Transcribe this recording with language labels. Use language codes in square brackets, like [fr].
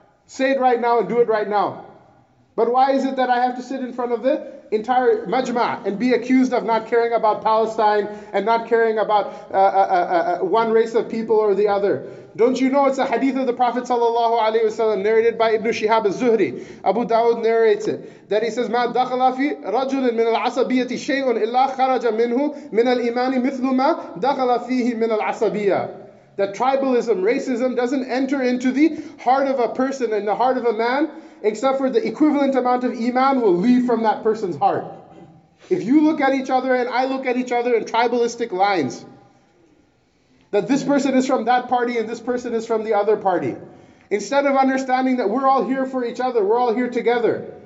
[en] Say it right now and do it right now. But why is it that I have to sit in front of the entire majma' and be accused of not caring about Palestine and not caring about one race of people or the other? Don't you know it's a hadith of the Prophet sallallahu alaihi wasallam narrated by Ibn Shihab al-Zuhri. Abu Dawud narrates it. [ar] That he says, مَا دَخَلَ فِي رَجُلٍ مِنَ الْعَصَبِيَةِ شَيْءٌ إِلَّا خَرَجَ مِنْهُ مِنَ الْإِيمَانِ مِثْلُ مَا دَخَلَ فِيهِ مِنَ الْعَصَبِيَةِ. [en] That tribalism, racism doesn't enter into the heart of a person and the heart of a man except for the equivalent amount of iman will leave from that person's heart. If you look at each other and I look at each other in tribalistic lines, that this person is from that party and this person is from the other party, instead of understanding that we're all here for each other, we're all here together.